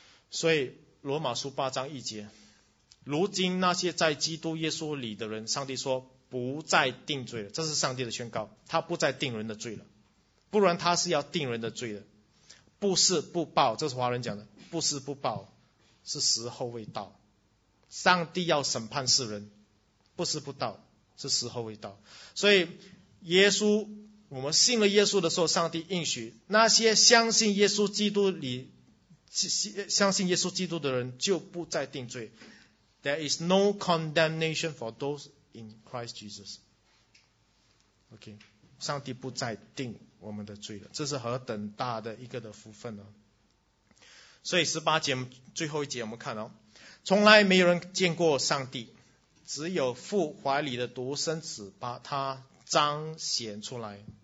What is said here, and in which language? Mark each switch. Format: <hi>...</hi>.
<zh>所以罗马书八章一节，如今那些在基督耶稣里的人，上帝说不再定罪了，这是上帝的宣告，他不再定人的罪了，不然他是要定人的罪的，不是不报，这是华人讲的，不是不报，是时候未到，上帝要审判世人，不是不到，是时候未到。所以耶稣，我们信了耶稣的时候，上帝应许那些相信耶稣基督里，相信耶稣基督的人就不再定罪。</zh> <en>There is no condemnation for those in Christ Jesus.</en> <zh>OK, 上帝不再定我们的罪了，这是何等大的一个的福分呢？所以十八节最后一节我们看哦，从来没有人见过上帝，只有父怀里的独生子把他彰显出来。</zh>